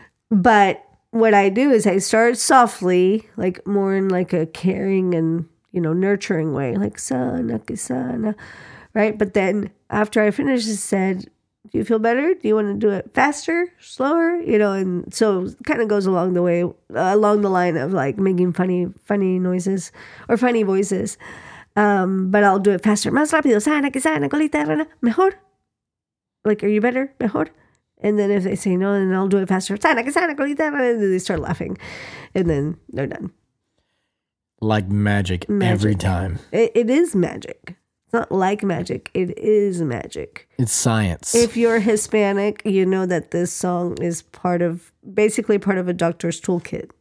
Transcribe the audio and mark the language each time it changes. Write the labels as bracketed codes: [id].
[en] But what I do is I start softly, like more in like a caring and, you know, nurturing way, like [es] sana, que sana, [en] right? But then after I finish, I said, do you feel better? Do you want to do it faster, slower? You know, and so kind of goes along the way, along the line of like making funny noises or funny voices. But I'll do it faster. [es] Más rápido, sana, que sana, colita, rana, mejor. [en] Like, are you better? Mejor? And then if they say no, then I'll do it faster. [es] Sana, que sana, colita, rana. [en] And then they start laughing. And then they're done. Like magic, magic. Every time. It is magic. It's not like magic. It is magic. It's science. If you're Hispanic, you know that this song is basically part of a doctor's toolkit.